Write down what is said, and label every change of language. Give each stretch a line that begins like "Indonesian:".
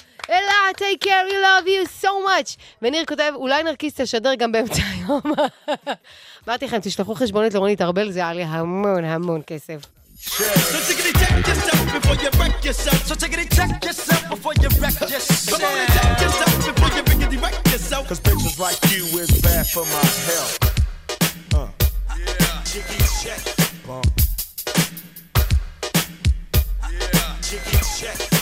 English: אלה, take care, we love you so much.
Hebrew: וניר כותב, אולי נרקיס תשדר גם באמצע היום. אמרתי לכם, תשלחו חשבונית לרוני תרבל, זה עלי המון המון כסף.
English: So take it, check yourself before you wreck yourself. So take it, check yourself before you wreck yourself. Come on and check yourself before you wreck yourself. Cause bitches like you is bad for my health. Yeah. Jiggy check. Bump. Yeah. Jiggy check.